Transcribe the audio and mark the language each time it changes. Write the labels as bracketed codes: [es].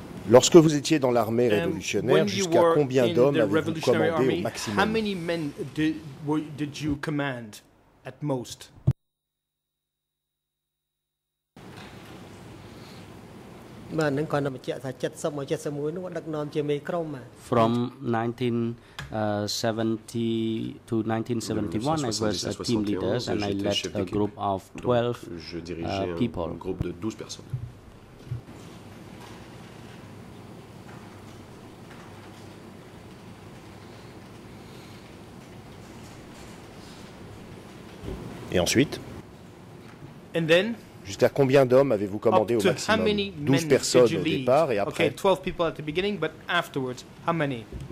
[fr] Lorsque vous étiez dans l'armée révolutionnaire, jusqu'à combien d'hommes avez-vous commandé au maximum? [en] How many men did you command at most? From 1970 to 1971, I was a team leader and I led a group of 12 people. [fr] Et ensuite, [en] and then, [fr] jusqu'à combien d'hommes avez-vous commandé au maximum? 12 personnes au départ et après. [en] Okay, 12 people at the beginning, but afterwards, how many?